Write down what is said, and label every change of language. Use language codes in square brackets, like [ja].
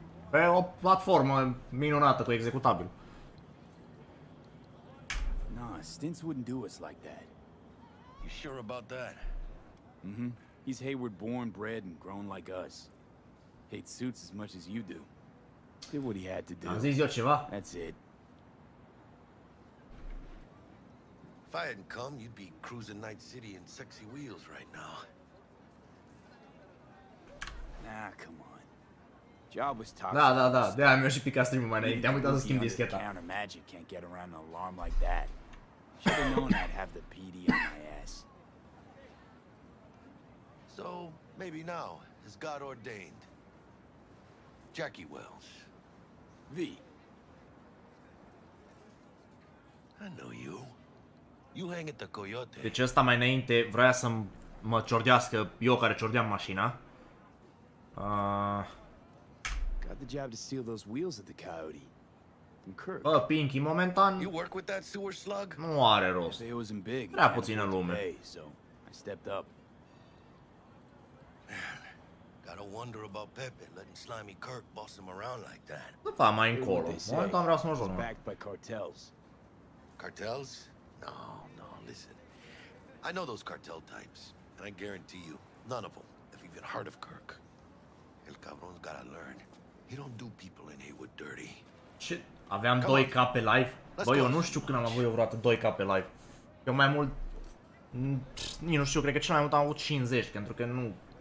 [ro] Pe o platformă minunată cu executabil. [en] Nah, stints wouldn't do us like that. You sure about that? Mm-hmm. He's Hayward born, bred, and grown like us. Hates suits as much as you do. Did what he had to do. [ro] Am zis eu ceva? [en] That's it. If I hadn't come, you'd be cruising Night City in sexy wheels right now. Nah, come on. Job was toxic. [ro] Da, da, da. De-aia mi-a și picat stream-ul mai înainte. Am uitat să schimb discheta. [en] Even the counter magic can't get around an alarm like that. Should have known I'd have the PD on my ass. So, maybe now, as God ordained. Jackie Wells. V. I know you. You hang at the Coyote. [ro] Deci ăsta mai înainte vrea să mă ciordească eu care ciordeam mașina. [en] Got the job to steal those wheels at the Coyote. [ro] Bă, Pinky, momentan... [en] You work with that sewer slug? [ro] Nu are rost. [en] It wasn't big. [ro] Prea puțină lume. [en] Pay, so I stepped up. Gotta wonder about Pepe letting slimy Kirk boss him around like that. [ro] Nu fa mai încolo. Momentan vreau să mă joc. [en] Backed by cartels. Cartels? No, no, listen. I know those cartel types, and I guarantee you, none of them have even heard of Kirk. El cabrón's gotta learn. He don't do people in Haywood dirty. [ro] Ce? Aveam 2K pe live? Bă, eu nu știu când am avut eu vreodată 2K pe live. Eu mai mult... Nu știu, cred că cel mai mult am avut 50, pentru că nu...